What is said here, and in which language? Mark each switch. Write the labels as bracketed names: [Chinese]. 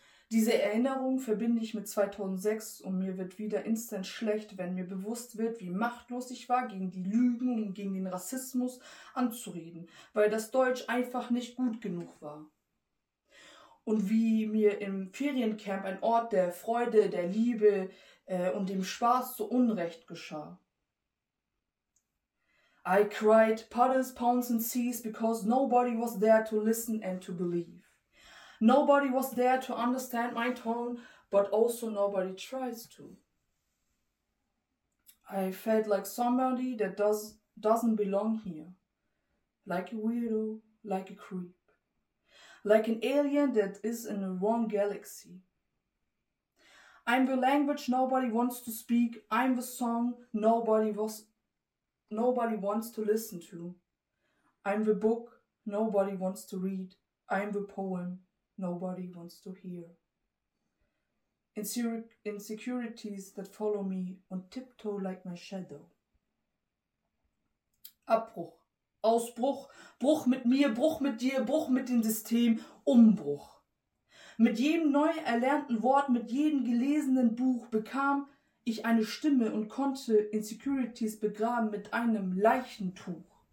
[German] Diese Erinnerung verbinde ich mit 2006 und mir wird wieder instant schlecht, wenn mir bewusst wird, wie machtlos ich war, gegen die Lügen und gegen den Rassismus anzureden, weil das Deutsch einfach nicht gut genug war. Und wie mir im Feriencamp ein Ort der Freude, der Liebe und dem Spaß zu Unrecht geschah. [English] I cried puddles, pounds and seas because nobody was there to listen and to believe. Nobody was there to understand my tone, but also nobody tries to. I felt like somebody that doesn't belong here. Like a weirdo, like a creep. Like an alien that is in the wrong galaxy. I'm the language nobody wants to speak. I'm the song nobody wants to listen to. I'm the book nobody wants to read. I'm the poem nobody wants to hear. Insecurities that follow me on tiptoe like my shadow. [German] Abbruch, Ausbruch, Bruch mit mir, Bruch mit dir, Bruch mit dem System, Umbruch. Mit jedem neu erlernten Wort, mit jedem gelesenen Buch bekam ich eine Stimme und konnte Insecurities begraben mit einem Leichentuch.